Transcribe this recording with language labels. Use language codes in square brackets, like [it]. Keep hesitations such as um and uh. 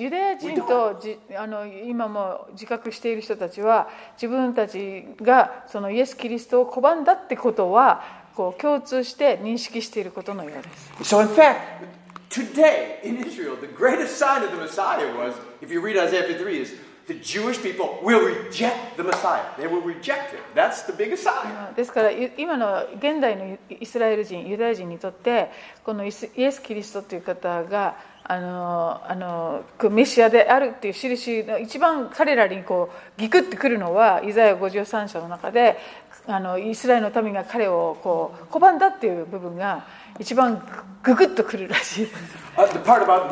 [ja] ユダヤ人とあの今も自覚している人たちは自分たちがそのイエス・キリストを拒んだってことはこう共通して認識していることのようです。 [en] So Today in Israel, the greatest sign of the Messiah was, if you read Isaiah 53, is the Jewish people will reject the Messiah. They will reject him. That's the biggest sign. [ja] ですから、今の現代のイスラエル人、ユダヤ人にとって、このイスイエス・キリストという方が、あのあのメシアであるっていう印の一番彼らにこうギクッてくるのはイザヤ53章の中であのイスラエルの民が彼をこう拒んだっていう部分が一番ググッとくるらしい。罪